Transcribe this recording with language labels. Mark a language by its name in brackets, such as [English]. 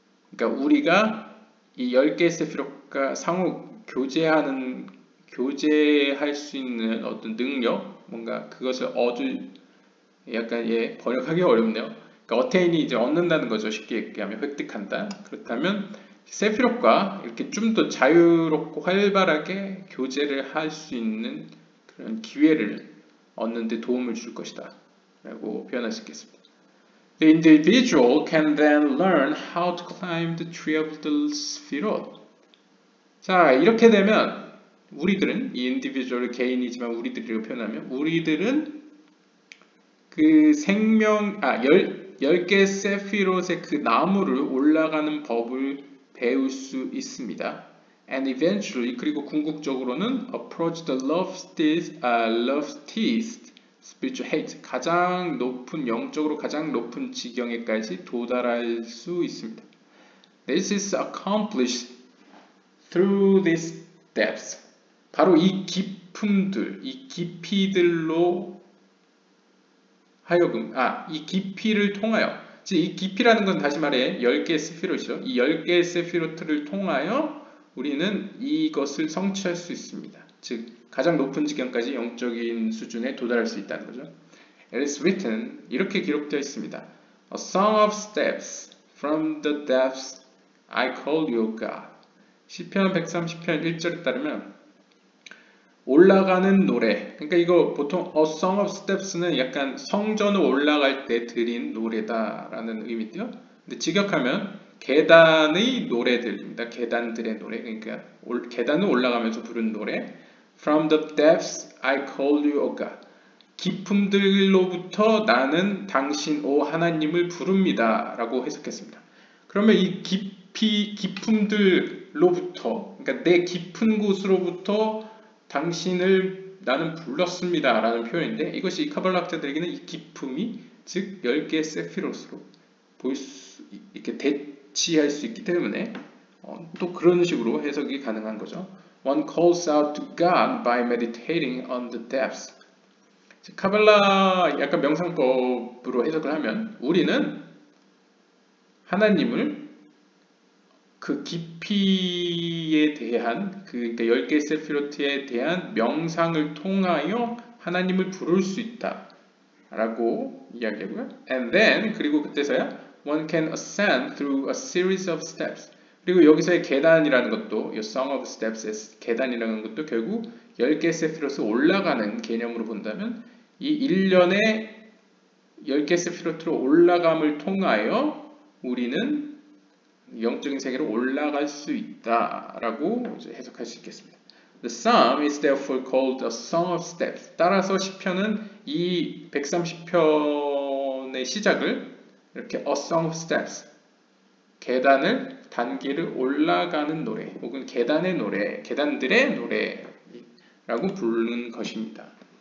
[Korean] 그러니까 우리가 이 10개의 세피롯과 상호 교제할 수 있는 어떤 능력 뭔가 그것을 얻을 약간 예 번역하기 어렵네요. 그러니까 어테인이 이제 얻는다는 거죠. 쉽게 얘기하면 획득한다. 그렇다면 세피롯과 이렇게 좀 더 자유롭고 활발하게 교제를 할 수 있는 그런 기회를 얻는 데 도움을 줄 것이다. 라고 표현할 수 있겠습니다. [English] The individual can then learn how to climb the tree of the sephirot. [Korean] 자, 이렇게 되면 우리들은 이 individual 개인이지만 우리들이라고 표현하면 우리들은 그 10개의 세피롯의 그 나무를 올라가는 법을 배울 수 있습니다. [English] And eventually, [Korean] 그리고 궁극적으로는 [English] approach the loftiest spiritual height. [Korean] 가장 높은, 영적으로 가장 높은 지경에까지 도달할 수 있습니다. [English] This is accomplished through these depths. [Korean] 바로 이 깊음들, 이 깊이들로 하여금 이 깊이를 통하여 즉 이 깊이라는 건 다시 말해 10개의 스피롯이죠. 이 10개의 스피롯을 통하여 우리는 이것을 성취할 수 있습니다. 즉 가장 높은 지경까지 영적인 수준에 도달할 수 있다는 거죠. [English] It is written [Korean] 이렇게 기록되어 있습니다. [English] A song of steps from the depths I call you God. [Korean] 시편 130편 1절에 따르면 올라가는 노래. 그러니까 이거 보통 A Song of Steps는 약간 성전을 올라갈 때 드린 노래다라는 의미죠. 근데 직역하면 계단의 노래들입니다. 계단들의 노래. 그러니까 계단을 올라가면서 부른 노래. [English] From the depths I call you, O God. [Korean] 깊음들로부터 나는 당신, 오 하나님을 부릅니다. 라고 해석했습니다. 그러면 이 깊음들로부터, 그러니까 내 깊은 곳으로부터 당신을 나는 불렀습니다. 라는 표현인데, 이것이 카발라 학자들에게는 이 깊음이, 즉, 열 개의 세피로스로 보일 수, 이렇게 대치할 수 있기 때문에, 또 그런 식으로 해석이 가능한 거죠. [English] One calls out to God by meditating on the depths. [Korean] 카발라 약간 명상법으로 해석을 하면 우리는 하나님을 그 깊이에 대한 그러니까 열 개의 세피로트에 대한 명상을 통하여 하나님을 부를 수 있다라고 이야기하고요. [English] And then [Korean] 그리고 그때서야 [English] one can ascend through a series of steps. [Korean] 그리고 여기서의 계단이라는 것도 이 song of steps의 계단이라는 것도 결국 열 개의 세피로트 올라가는 개념으로 본다면. 이 1년의 10개 세피로트로 올라감을 통하여 우리는 영적인 세계로 올라갈 수 있다라고 이제 해석할 수 있겠습니다. [English] The psalm is therefore called a song of steps. [Korean] 따라서 시편은 이 130편의 시작을 이렇게 a song of steps, 계단을 단계를 올라가는 노래 혹은 계단의 노래, 계단들의 노래라고 부르는 것입니다.